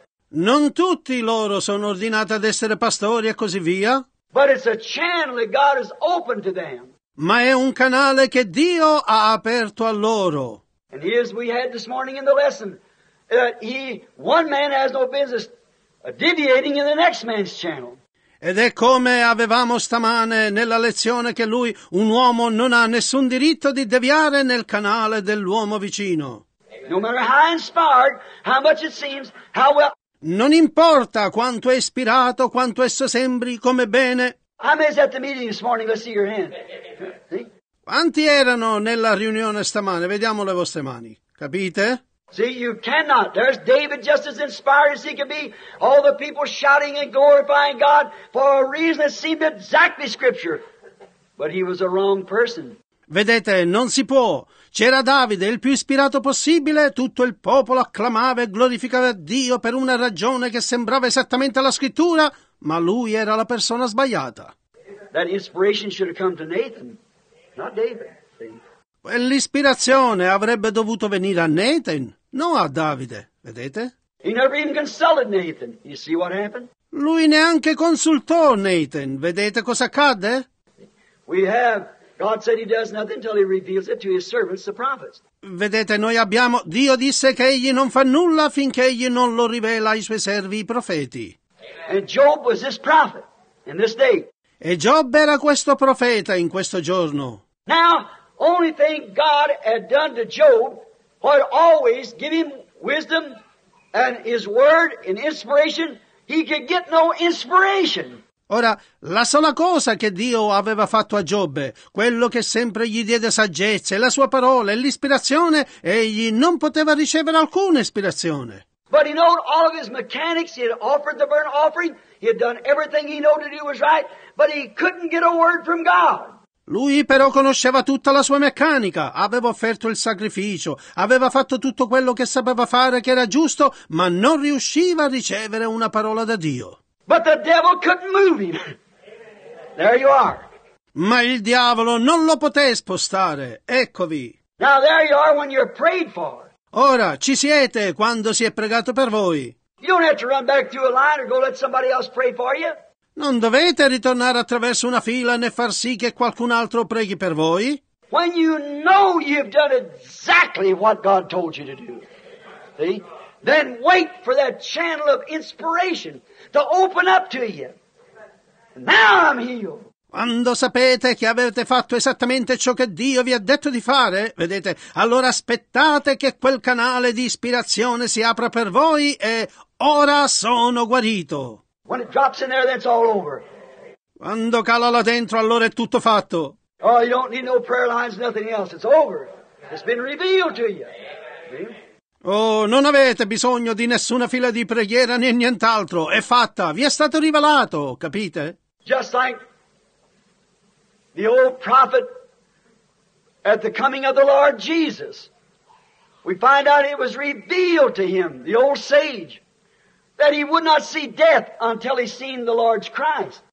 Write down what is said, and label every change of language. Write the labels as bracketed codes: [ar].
[it] Non tutti loro sono ordinati ad essere pastori e così via. [en] But it's a channel that God has opened to them. [it] Ma è un canale che Dio ha aperto a loro. [en] And as we had this morning in the lesson, one man has no business deviating in the next man's channel. [it] Ed è come avevamo stamane nella lezione che lui, un uomo, non ha nessun diritto di deviare nel canale dell'uomo vicino. [en] No matter how inspired, how much it seems, how well. [it] Non importa quanto è ispirato, quanto esso sembri, come bene. [en] I'm at the meeting this morning. Let's see your hand. [it] Quanti erano nella riunione stamane? Vediamo le vostre mani. Capite? [en] See, you cannot. There's David just as inspired as he could be. All the people shouting and glorifying God for a reason that seemed exactly scripture. But he was a wrong person. [it] Vedete, non si può. C'era Davide, il più ispirato possibile, tutto il popolo acclamava e glorificava Dio per una ragione che sembrava esattamente la scrittura, ma lui era la persona sbagliata. [en] That inspiration should have come to Nathan, not David. [it] Quell'ispirazione avrebbe dovuto venire a Nathan, non a Davide, vedete? [en] He never even consulted Nathan. You see what happened? [it] Lui neanche consultò Nathan, vedete cosa accadde? [en] We have... God said he does nothing until he reveals it to his servants, the prophets. [it] Vedete, noi abbiamo... Dio disse che egli non fa nulla finché egli non lo rivela ai suoi servi, i profeti. [en] And Job was this prophet in this day. [it] E Giobbe era questo profeta in questo giorno. [en] Now, only thing God had done to Job was always give him wisdom and his word and inspiration. He could get no inspiration. [it] Ora, la sola cosa che Dio aveva fatto a Giobbe, quello che sempre gli diede saggezza, la sua parola e l'ispirazione, egli non poteva ricevere alcuna ispirazione. [en] But he knew all of his mechanics, he had offered the burnt offering, he had done everything he knew to do was right, but he couldn't get a word from God. [it] Lui però conosceva tutta la sua meccanica, aveva offerto il sacrificio, aveva fatto tutto quello che sapeva fare che era giusto, ma non riusciva a ricevere una parola da Dio. [en] But the devil couldn't move him. There you are. [it] Ma il diavolo non lo poté spostare. Eccovi. [en] Now there you are when you're prayed for. [it] Ora ci siete quando si è pregato per voi. [en] You don't have to run back through a line or go let somebody else pray for you. [it] Non dovete ritornare attraverso una fila né far sì che qualcun altro preghi per voi. [en] When you know you've done exactly what God told you to do. See? Then wait for that channel of inspiration to open up to you. Now I'm healed. [it] Quando sapete che avete fatto esattamente ciò che Dio vi ha detto di fare, vedete, allora aspettate che quel canale di ispirazione si apra per voi e ora sono guarito. [en] When it drops in there, then it's all over. [it] Quando cala là dentro, allora è tutto fatto. [en] Oh, you don't need no prayer lines, nothing else. It's over. It's been revealed to you. See? [it] Oh, non avete bisogno di nessuna fila di preghiera né nient'altro. È fatta. Vi è stato rivelato, capite? [en] Just like the old prophet at the coming of the Lord Jesus. We find out it was revealed to him, the old sage, that he would not see death until he seen the Lord Christ.